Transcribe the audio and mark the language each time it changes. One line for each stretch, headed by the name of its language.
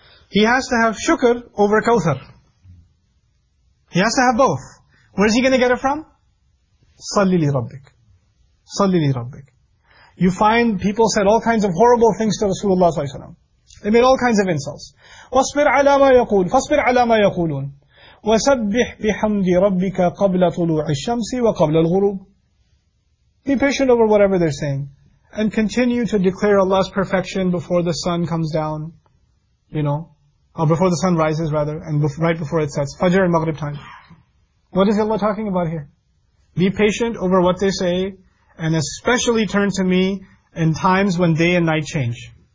English: He has to have shukr over kawthar. He has to have both. Where is he going to get it from? Salli li rabbik. Salli li rabbik. You find people said all kinds of horrible things to Rasulullah sallallahu alaihi wasallam. They made all kinds of insults.
Arabic: وَاصْبِرْ عَلَى مَا يَقُولُ فَاصْبِرْ عَلَى مَا يَقُولُونَ وَسَبِّحْ بِحَمْدِ رَبِّكَ قَبْلَ طُلُوعِ الشَّمْسِ وَقَبْلَ الْغُرُوبِ.
English: Be patient over whatever they're saying. And continue to declare Allah's perfection before the sun comes down. You know, or before the sun rises rather, and right before it sets. Fajr and Maghrib time. What is Allah talking about here? Be patient over what they say, and especially turn to me in times when day and night change.